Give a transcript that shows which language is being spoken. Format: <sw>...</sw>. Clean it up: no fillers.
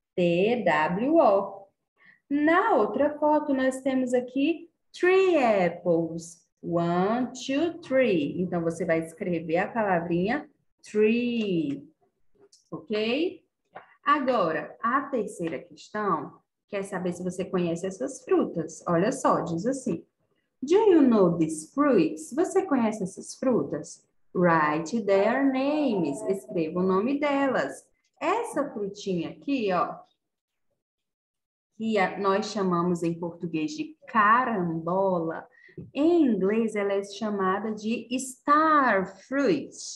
<pt>T-W-O. Na outra foto, nós temos aqui</pt> <en>three apples. One, two, three.</en> <pt>Então, você vai escrever a palavrinha three. Ok? Agora, a terceira questão quer saber se você conhece essas frutas. Olha só, diz assim.</pt> <en>Do you know these fruits?</en> <pt>Você conhece essas frutas?</pt> <en>Write their names.</en> <pt>Escreva o nome delas. Essa frutinha aqui, ó, que nós chamamos em português de carambola, em inglês ela é chamada de star fruit.</pt>